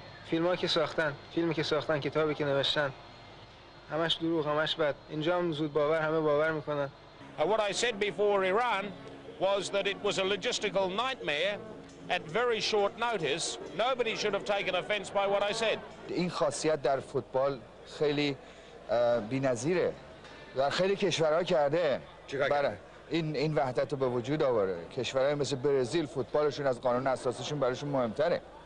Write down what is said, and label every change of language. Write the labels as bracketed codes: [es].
[fa] فیلم هایی که ساختن، فیلمی که ساختن، کتابی که نوشتن، همش دروغ، همش بد. اینجا هم زود باور، همه باور میکنن. [en] What I said before Iran was that it was a logistical nightmare at very short notice. Nobody should have taken offense by what I said. [fa] این خاصیت در فوتبال خیلی بی‌نظیره. در خیلی کشورها کرده. بله. این وحدت رو به وجود آورده. کشورهای مثل برزیل فوتبالشون از قانون اساسیشون برایشون مهمتره.